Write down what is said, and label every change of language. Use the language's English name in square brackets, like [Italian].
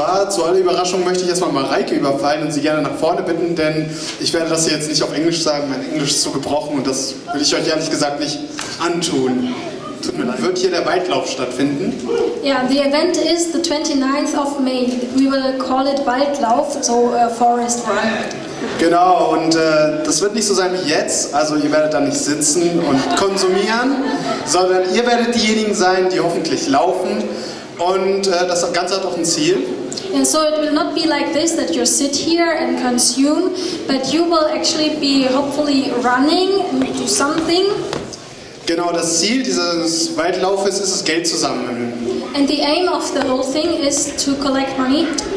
[German] Zu aller Überraschung möchte ich erstmal Mareike überfallen und sie gerne nach vorne bitten, denn ich werde das hier jetzt nicht auf Englisch sagen, mein Englisch ist so gebrochen und das will ich euch ehrlich gesagt nicht antun. Tut mir leid. Wird hier der Waldlauf stattfinden? [English] Ja, yeah, the event is the 29th of May. We will call it Waldlauf, so Forest Run. [German] Genau, und das wird nicht so sein wie jetzt, also ihr werdet da nicht sitzen und konsumieren, sondern ihr werdet diejenigen sein, die hoffentlich laufen. Und das Ganze hat auch ein Ziel. [English] And so it will not be like this, that you sit here and consume, but you will actually be hopefully running and do something. [German] Genau, das Ziel dieses Waldlaufes ist es, Geld zu sammeln. [English] And the aim of the whole thing is to collect money.